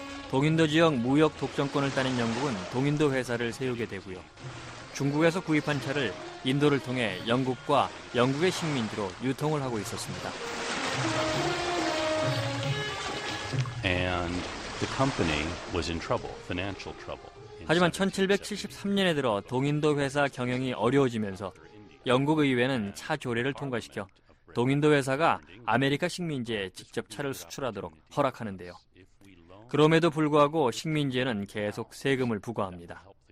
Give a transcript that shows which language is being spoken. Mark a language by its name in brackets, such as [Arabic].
[Korean] 동인도 지역 무역 독점권을 따낸 영국은 동인도 회사를 세우게 되고요. 중국에서 구입한 차를 인도를 통해 영국과 영국의 식민지로 유통을 하고 있었습니다. [English] And the company was in trouble, financial trouble. [Korean] 하지만 1773년에 들어 동인도 회사 경영이 어려워지면서 영국 의회는 차 조례를 통과시켜 동인도 회사가 아메리카 식민지에 직접 차를 수출하도록 허락하는데요. 그럼에도 불구하고 식민지에는 계속 세금을 부과합니다.